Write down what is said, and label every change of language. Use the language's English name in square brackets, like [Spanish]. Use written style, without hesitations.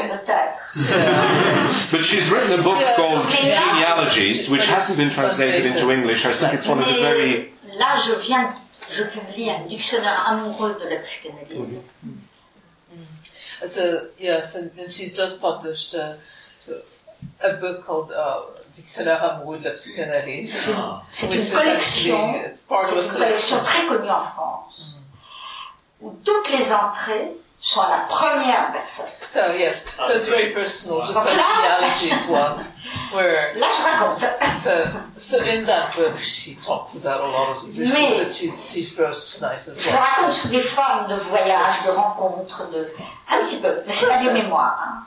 [English] But she's written a book called Genealogies, which hasn't been translated into English. I think it's one of the very. [French] Là, je publie un dictionnaire amoureux de la psychanalyse. [English] Yes, and she's just published a book called. [French] Dictionnaire amoureux de la psychanalyse. C'est une collection très connue en France, où toutes les entrées sont à la première personne. [English] So, yes, so it's very personal, just like Genealogies was. [French] Là, je raconte. [English] So, in that book, she talks about a lot of the issues that she's brought tonight as well. [French] Je raconte sous des formes de voyages, de rencontres, de. Un petit peu, mais c'est pas des mémoires.